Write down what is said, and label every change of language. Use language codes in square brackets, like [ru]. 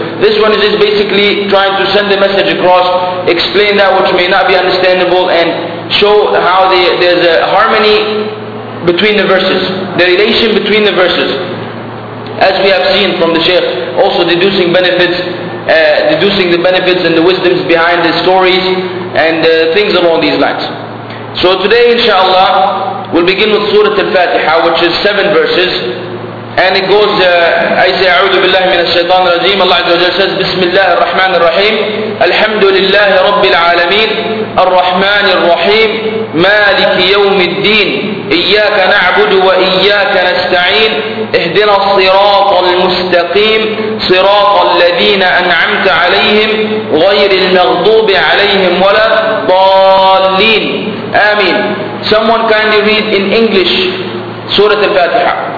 [en] This one is just basically trying to send a message across, explain that which may not be understandable, and show how there's a harmony between the verses, the relation between the verses, as we have seen from the Shaykh, also deducing benefits, deducing the benefits and the wisdoms behind the stories and things along these lines. So today, inshallah, we'll begin with Surah Al-Fatiha, which is 7 verses, and it goes, I say, [ar] A'udhu billahi minash shaitan rajeem. Allah Azza wa Jalla says, Bismillah ar-Rahman ar-Rahim, Alhamdulillah Rabbil Alameen, Ar-Rahman ar-Rahim, مالك يوم الدين إياك نعبد وإياك نستعين اهدنا الصراط المستقيم صراط الذين أنعمت عليهم غير المغضوب عليهم ولا الضالين آمين. [en] Someone kindly read in English سورة الفاتحة.